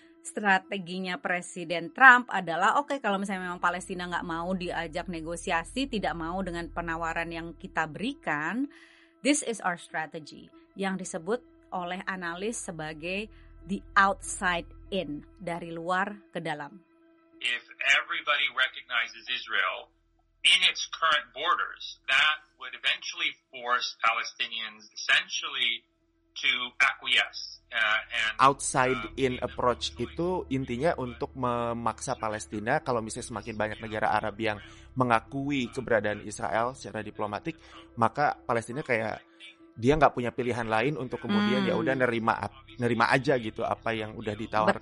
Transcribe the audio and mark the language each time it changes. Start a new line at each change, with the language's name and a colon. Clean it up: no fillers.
Indonesian: strateginya Presiden Trump adalah oke, kalau misalnya memang Palestina nggak mau diajak negosiasi, tidak mau dengan penawaran yang kita berikan,
English: this is our strategy,
Indonesian: yang disebut oleh analis sebagai
English: the outside in,
Indonesian: dari luar ke dalam.
English: If everybody recognizes Israel in its current borders, that would eventually force Palestinians essentially to acquiesce. Outside-in approach
Indonesian: itu intinya untuk memaksa Palestina, kalau misalnya semakin banyak negara Arab yang mengakui keberadaan Israel secara diplomatik, maka Palestina kayak dia nggak punya pilihan lain untuk kemudian ya udah nerima aja gitu apa yang udah ditawarkan.